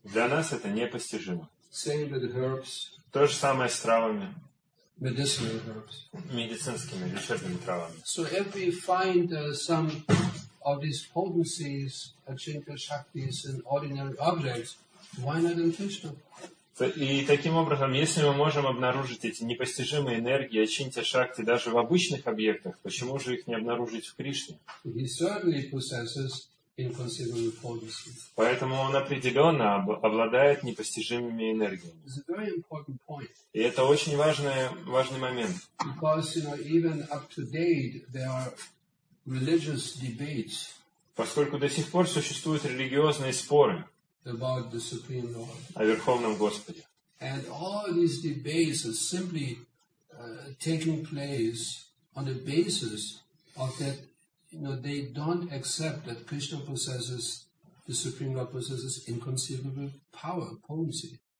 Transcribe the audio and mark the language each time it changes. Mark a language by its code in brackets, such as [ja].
[ru] Для нас это непостижимо. [en] Same with herbs. [ru] То же самое с травами. [en] Medicinal herbs. [ru] Медицинскими, лечебными травами. [en] So if we find some of these potencies, achintya shaktis, in ordinary objects, why not in Krishna? [ru] И таким образом, если мы можем обнаружить эти непостижимые энергии, ачинтья шакти, даже в обычных объектах, почему же их не обнаружить в Кришне? [en] He certainly possesses inconceivable potency. [ru] Поэтому он определенно обладает непостижимыми энергиями. [en] It's a very important point. [ru] И это очень важный момент. [en] Because, you know, even up to date, there are religious debates. [ru] Поскольку до сих пор существуют религиозные споры [en] about the Supreme Lord. [ru] О Верховном Господе. [en] And all these debates are simply taking place on the basis of that, you know, they don't accept that Krishna possesses, the Supreme Lord possesses inconceivable power, potency.